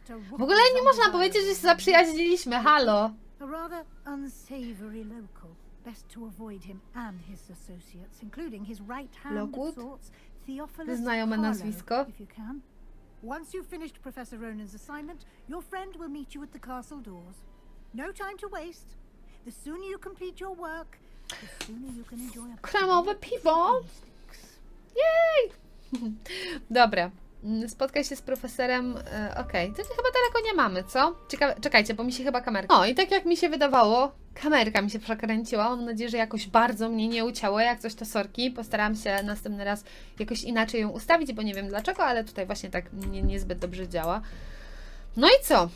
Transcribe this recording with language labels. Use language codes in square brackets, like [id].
[pl] W ogóle nie można powiedzieć, że się zaprzyjaźniliśmy. Halo. [en] A rather unsavory local. Best to avoid him and his associates, including his right hand sorts. [pl] Znajome nazwisko. [en] Once you've finished Professor Ronan's assignment, your friend will meet you at the castle doors. No time to waste. The sooner you complete your work, the sooner you can enjoy a [pl] kremowe piwo. Yay! Dobra. Spotkaj się z profesorem. Okej, okay. To chyba daleko nie mamy, co? Czekajcie, bo mi się chyba kamerka. O, i tak jak mi się wydawało, kamerka mi się przekręciła. Mam nadzieję, że jakoś bardzo mnie nie uciało. Jak coś, to sorki. Postaram się następny raz jakoś inaczej ją ustawić, bo nie wiem dlaczego, ale tutaj właśnie tak niezbyt dobrze działa. No i co?